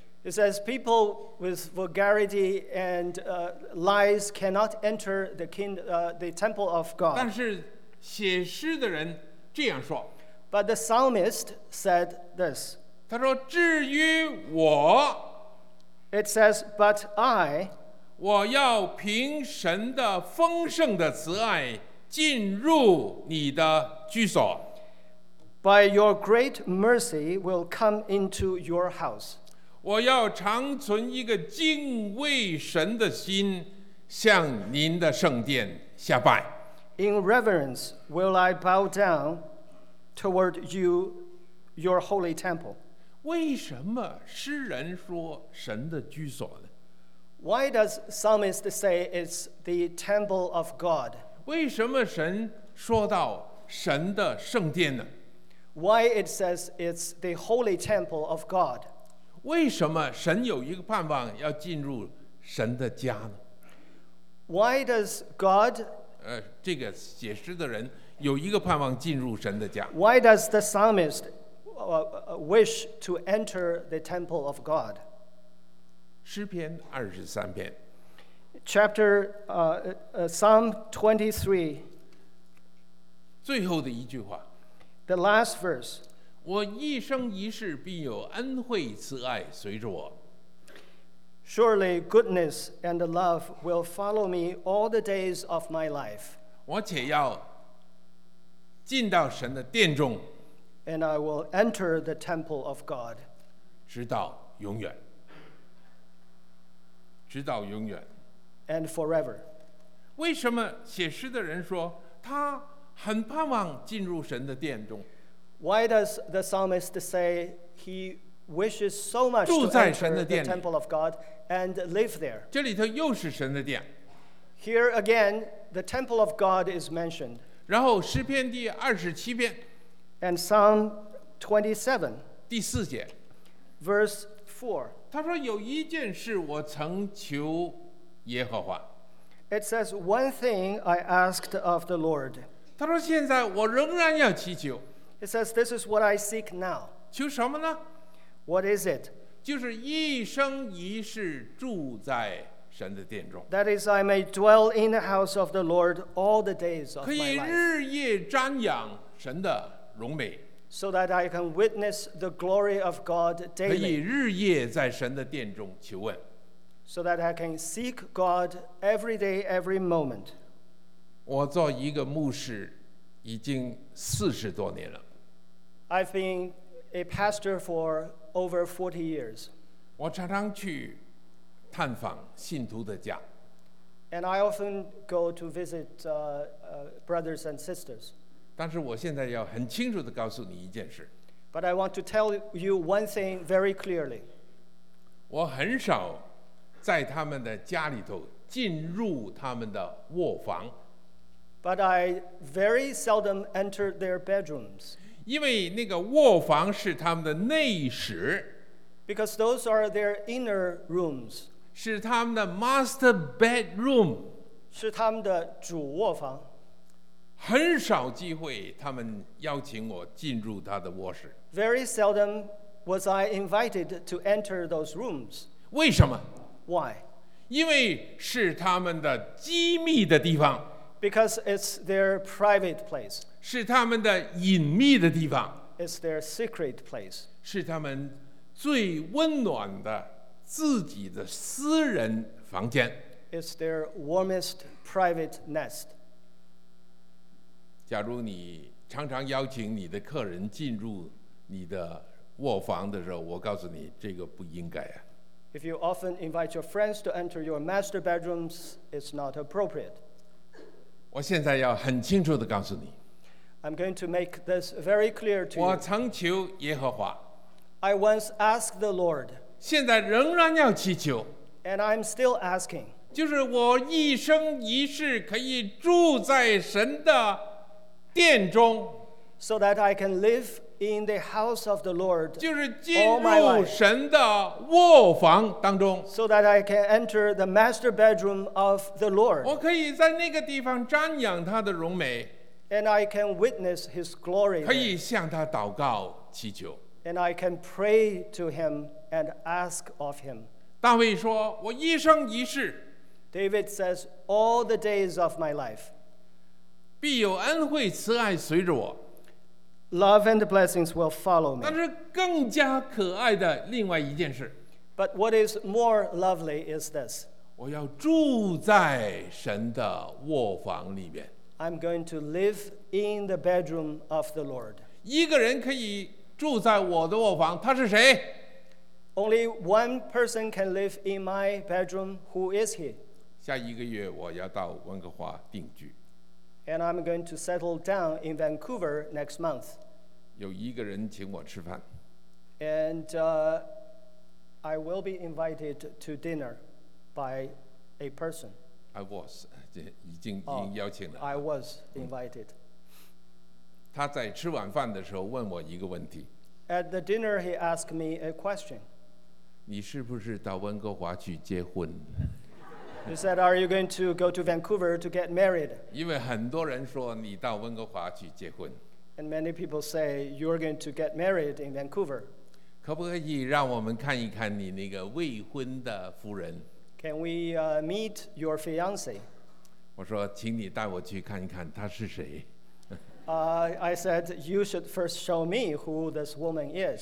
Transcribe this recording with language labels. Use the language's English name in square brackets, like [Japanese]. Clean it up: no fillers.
[English] It says people with vulgarity and lies cannot enter the temple of God. [Chinese] 但是写诗的人这样说。 [English] But the psalmist said this. [Chinese] 他说至于我。 [English] It says, but I. [Chinese] 我要凭神的丰盛的慈爱进入你的居所。 [English] By your great mercy, will come into your house. [Chinese] 我要长存一个敬畏神的心，向您的圣殿下拜。 [English] In reverence, will I bow down toward you, your holy temple. [Chinese] 为什么诗人说神的居所呢？ [English] Why does psalmist say it's the temple of God? [Chinese] 为什么神说到神的圣殿呢？ [English] Why it says it's the holy temple of God? [Chinese] 为什么神有一个盼望要进入神的家呢？ [English] Why does God? [Chinese] 这个写诗的人有一个盼望进入神的家。 [English] Why does the psalmist wish to enter the temple of God? [Chinese] 诗篇二十三篇 [English] Chapter Psalm 23 [Chinese] 最后的一句话 [English] The last verse [Chinese] 我一生一世必有恩惠慈爱随着我 [English] Surely goodness and love will follow me all the days of my life [Chinese] 我且要进到神的殿中 [English] And I will enter the temple of God [Chinese] 直到永远直到永远 [English] and forever. [Chinese] 为什么写诗的人说他很盼望进入神的殿中？ [English] Why does the psalmist say he wishes so much to enter the temple of God and live there? [Chinese] 这里头又是神的殿。 [English] Here again, the temple of God is mentioned. [Chinese] 然后诗篇第二十七篇 [English] and Psalm 27, [Chinese] 第四节 [English] verse 4 [Chinese] 他说有一件事我曾求耶和华。 [English] It says one thing I asked of the Lord. [Chinese] 他说现在我仍然要祈求。 [English] It says this is what I seek now. [Chinese] 求什么呢？ [English] What is it? [Chinese] 就是一生一世住在神的殿中。 [English] That is I may dwell in the house of the Lord all the days of my life. [Chinese] 可以日夜瞻仰神的荣美。 [English] So that I can witness the glory of God daily. [Chinese] 可以日夜在神的殿中求问。 [English] So that I can seek God every day, every moment. [Chinese] 我做一个牧师已经四十多年了。 [English] I've been a pastor for over 40 years. [Chinese] 我常常去探访信徒的家。 [English] And I often go to visit brothers and sisters. [Chinese] 但是我现在要很清楚地告诉你一件事。 [English] But I want to tell you one thing very clearly. [Chinese] 我很少在他们的家里头进入他们的卧房。 [English] But I very seldom enter their bedrooms. [Chinese] 因为那个卧房是他们的内室。 [English] Because those are their inner rooms. [Chinese] 是他们的 [English] master bedroom. [Chinese] 是他们的主卧房。很少机会他们邀请我进入他的卧室。 [English] Very seldom was I invited to enter those rooms. [Chinese] 为什么？ [English] Why? [Chinese] 因为是他们的机密的地方。 [English] Because it's their private place. [Chinese] 是他们的隐秘的地方。 [English] It's their secret place. [Chinese] 是他们最温暖的自己的私人房间。 [English] It's their warmest private nest. [Chinese] 假如你常常邀请你的客人进入你的卧房的时候，我告诉你，这个不应该啊。 [English] If you often invite your friends to enter your master bedrooms, it's not appropriate. [Chinese] 我现在要很清楚地告诉你。 [English] I'm going to make this very clear to you. [Chinese] 我曾求耶和华。 [English] I once asked the Lord. [Chinese] 现在仍然要祈求。 [English] And I'm still asking. [Chinese] 就是我一生一世可以住在神的殿中。 [English] So that I can live in the house of the Lord. [Chinese] 就是进入神的卧房当中。 [English] So that I can enter the master bedroom of the Lord. [Chinese] 我可以在那个地方瞻仰他的荣美。 [English] And I can witness his glory. [Chinese] 可以向他祷告祈求。 [English] And I can pray to him and ask of him. [Chinese] 大卫说，我一生一世。 [English] David says, all the days of my life. [Chinese] 必有恩惠慈爱随着我。 [English] Love and blessings will follow me. [Chinese] 但是更加可爱的另外一件事。 [English] But what is more lovely is this. [Chinese] 我要住在神的卧房里面。 [English] I'm going to live in the bedroom of the Lord. [Chinese] 一个人可以住在我的卧房，他是谁？ [English] Only one person can live in my bedroom. Who is he? [Chinese] 下一个月我要到温哥华定居。 [English] And I'm going to settle down in Vancouver next month. [Chinese] 有一个人请我吃饭。 [English] And I will be invited to dinner by a person. I was. [Chinese] 已经邀请了。 [English] I was invited. [Chinese] 他在吃晚饭的时候问我一个问题。 [English] At the dinner, he asked me a question. [Chinese] 你是不是到温哥华去结婚？ [English] He said, are you going to go to Vancouver to get married? [Chinese] 因为很多人说你到温哥华去结婚。 [English] And many people say you're going to get married in Vancouver. [Chinese] 可不可以让我们看一看你那个未婚的夫人？ [English] Can we meet your fiance? [Chinese] 我说请你带我去看一看她是谁。 [English] I said you should first show me who this woman is.